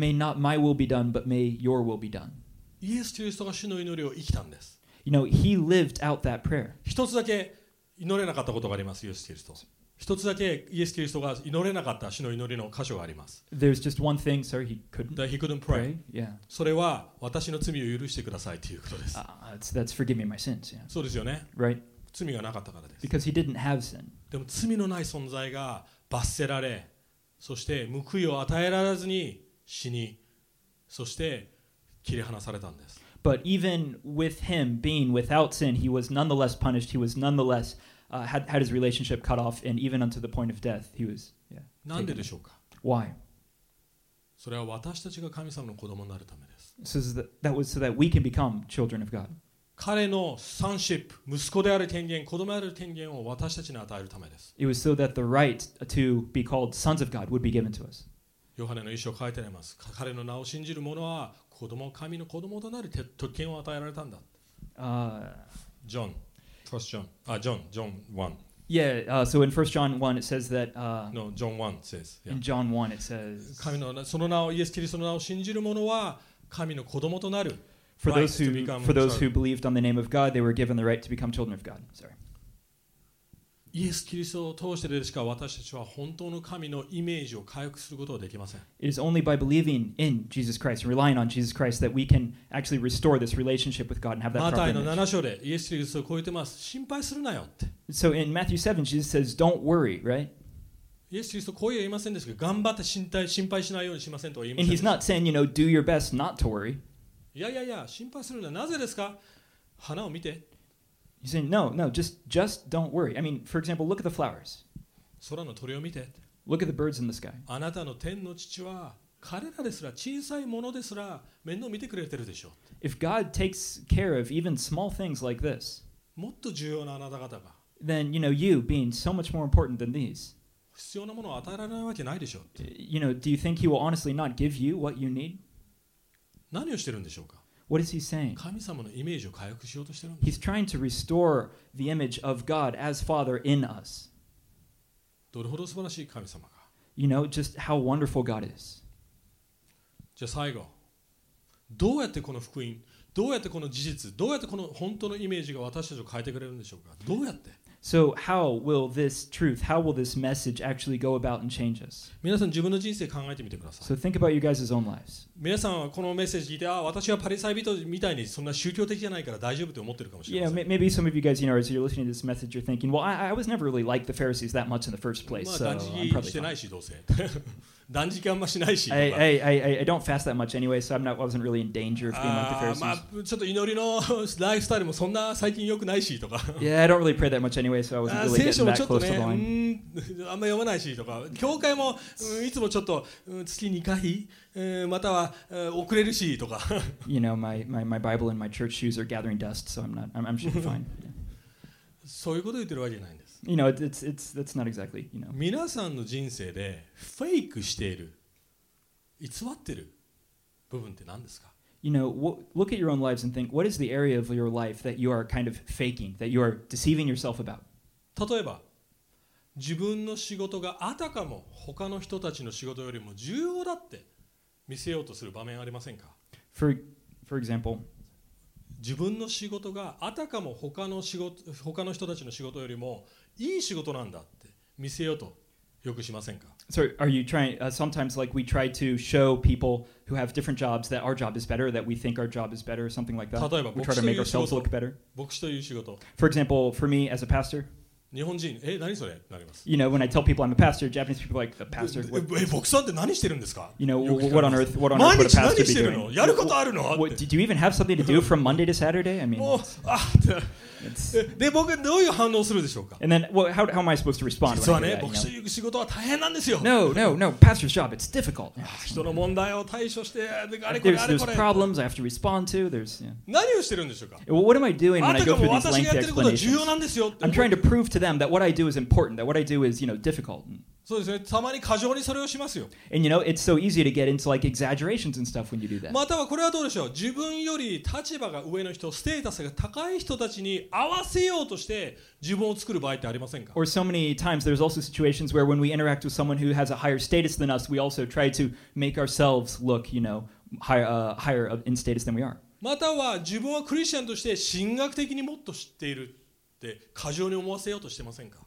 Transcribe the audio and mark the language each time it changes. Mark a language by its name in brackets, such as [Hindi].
[English] May not my will be done, but may your will be done. [Japanese] イエス・キリストが主の祈りを生きたんです。 [English] You know, he lived out that prayer. [Japanese] 一つだけ祈れなかったことがあります、イエス・キリスト。一つだけイエス・キリストが祈れなかった主の祈りの箇所があります。 [English] There's just one thing, sir, he couldn't, that he couldn't pray. Yeah. [Japanese] それは私の罪を許してくださいということです。 [English] That's forgive me my sins, yeah. [Japanese] そうですよね。 [English] Right. [Japanese] 罪がなかったからです。 [English] Because he didn't have sin. [Japanese] でも罪のない存在が罰せられ、そして報いを与えられずに死に、そして切り離されたんです。 [English] But even with him being without sin, he was nonetheless punished. He was nonetheless had his relationship cut off, and even unto the point of death, he was. Yeah, [Japanese] なんででしょうか。 [English] Why? [Japanese] それは私たちが神様の子供になるためです。 [English] So that was so that we can become children of God. [Japanese] 彼の sonship、息子である権限、子供である権限を私たちに与えるためです。 [English] It was so that the right to be called sons of God would be given to us. [Japanese] ヨハネの一章書いてあります。彼の名を信じる者は子供、神の子供となる特権を与えられたんだ。 [English] John, First John, John 1. Yeah, so in 1 John 1 it says that No, John 1 says、yeah. In John 1 it says [Japanese] 神のその名をイエス・キリストの名を信じる者は神の子供となる [English] For those, who, for those who believed on the name of God, they were given the right to become children of God. Sorry. [Japanese] イエス・キリストを通してでしか私たちは本当の神のイメージを回復することはできません。 [English] It is only by believing in Jesus Christ, relying on Jesus Christ, that we can actually restore this relationship with God and have that proper image. [Japanese] マタイの7章でイエス・キリストを超えてます。心配するなよって。 [English] So in Matthew 7, Jesus says, don't worry, right? [Japanese] イエス・キリストこう言いませんですけど、頑張って心配しないようにしませんと言いません。 [English] And he's not saying, you know, do your best not to worry. [Japanese] いやいやいや、心配するな。なぜですか？花を見て。 [English] He's saying, no, no, just don't worry. I mean, for example, look at the flowers. [Japanese] 空の鳥を見て。 [English] Look at the birds in the sky. [Japanese] あなたの天の父は彼らですら小さいものですら面倒見てくれてるでしょう。 [English] If God takes care of even small things like this, [Japanese] もっと重要なあなた方が、 [English] then, you know, you being so much more important than these, [Japanese] 必要なものを与えられないわけないでしょう。 [English] You know, do you think he will honestly not give you what you need? [Japanese] 何をしてるんでしょうか。 [English] What is he saying? [Japanese] 神様のイメージを回復しようとしてるんです。 [English] He's trying to restore the image of God as Father in us. [Japanese] どれほど素晴らしい神様か。 [English] You know, just how wonderful God is. [Japanese] じゃあ最後、どうやってこの福音、どうやってこの事実、どうやってこの本当のイメージが私たちを変えてくれるんでしょうか。どうやって。 [English] So how will this truth, how will this message actually go about and change us? [Japanese] 皆さん自分の人生考えてみてください。 [English] So think about you guys' own lives. [Japanese] 皆さんはこのメッセージ聞いて、あ、私はパリサイ人みたいにそんな宗教的じゃないから大丈夫って思ってるかもしれません。 [English] Yeah, maybe some of you guys, you know, as you're listening to this message, you're thinking, well, I was never really like the Pharisees that much in the first place, so I'm probably fine. [Japanese] 断食してないし、どうせ。断食あんましないし。 [English] I don't fast that much anyway, so I wasn't really in danger of being like the Pharisees. [Japanese] まあ、ちょっと祈りのライフスタイルもそんな最近良くないしとか。 [English] Yeah, I don't really pray that much anyway, so I wasn't really getting that close to the line. [Japanese] 聖書もちょっとね、あんま読まないしとか。教会も、いつもちょっと、月2回、または、遅れるしとか。 [English] You know, my Bible and my church shoes are gathering dust, so I'm sure fine. [Japanese] そういうこと言ってるわけじゃないんです。 [English] You know, it's that's not exactly, you know. [Japanese] 皆さんの人生でフェイクしている、偽ってる部分って何ですか? [English] You know, look at your own lives and think, what is the area of your life that you are kind of faking, that you are deceiving yourself about? [Japanese] 例えば、自分の仕事があたかも他の人たちの仕事よりも重要だって見せようとする場面ありませんか? [English] For example, [Japanese] 自分の仕事があたかも他の人たちの仕事よりもいい仕事なんだって見せようとよくしませんか? [English] So are you trying, sometimes like we try to show people who have different jobs that our job is better, that we think our job is better, something like that. [Japanese] 例えば、牧師という仕事。 [English] We try to make ourselves look better. [Japanese] 牧師という仕事。 [English] For example, for me as a pastor, [Japanese] 日本人、え、何それ?なります。 [English] You know, when I tell people I'm a pastor, Japanese people are like, a pastor? [Japanese] え、牧師さんって何してるんですか? [English] You know, what on earth would a pastor be doing? [Japanese] 毎日何してるの?やることあるの? [English] Did you even have something to do from Monday to Saturday? I mean, [Japanese] で、僕はどういう反応するでしょうか? [English] And then, well, how am I supposed to respond? [Japanese] 実はね、牧師という仕事は大変なんですよ。 [English] No, pastor's job, it's difficult. [Japanese] 人の問題を対処して、あれこれ、 [English] There's problems I have to respond to. There's, yeah. [Japanese] 何をしてるんでしょうか? [English] Well, what am I doing when I go through these lengthy explanations? [Japanese] あたかも私がやってることは重要なんですよ。 [English] I'm trying to prove to them that what I do is important, that what I do is, you know, difficult. [Japanese] そうですね、たまに過剰にそれをしますよ。 [English] And you know, it's so easy to get into like exaggerations and stuff when you do that. [Japanese] またはこれはどうでしょう。自分より立場が上の人、ステータスが高い人たちに合わせようとして自分を作る場合ってありませんか? [English] Or so many times there's also situations where when we interact with someone who has a higher status than us, we also try to make ourselves look, you know, higher in status than we are. [Japanese] または自分はクリスチャンとして神学的にもっと知っている。って過剰に思わせようとしてませんか?